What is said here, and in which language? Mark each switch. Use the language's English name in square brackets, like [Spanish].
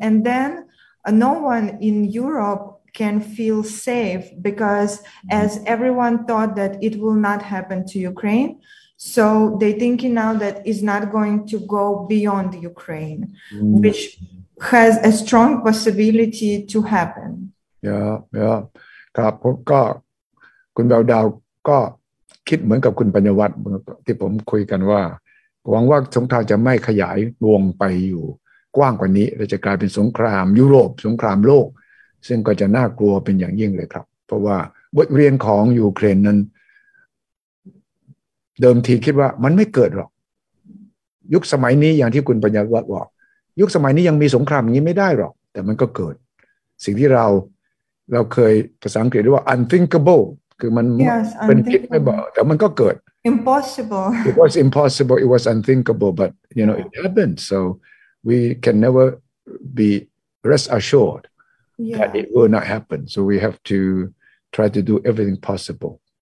[English] And then no one in Europe can feel safe because as everyone thought that it will not happen to Ukraine, so they're thinking now that it's not going to go beyond Ukraine, which has a strong possibility to happen. Yeah. [Thai] ครับก็คุณดาวก็คิดเหมือนกับคุณปัญญวัฒน์ที่ผมคุยกันว่าหวังว่าสงครามจะไม่ขยายวงไปอยู่กว้างกว่านี้และจะกลายเป็นสงครามยุโรปสงครามโลกซึ่งก็จะน่ากลัวเป็นอย่างยิ่งเลยครับเพราะว่าบทเรียนของยูเครนนั้น เดิมทีคิดว่ามันไม่เกิดหรอกยุคสมัยนี้อย่างที่คุณปัญญวัฒน์บอกยุคสมัยนี้ยังมีสงครามอย่างนี้ไม่ได้หรอกแต่มันก็เกิดสิ่งที่เราเคยภาษาอังกฤษเรียกว่า unthinkable คือมัน [English] yes, [Thai] เป็นคิดไม่บอกแต่มันก็เกิด [English] impossible it was impossible it was unthinkable but you know it happened so we can never be rest assured that it will not happen so we have to try to do everything possible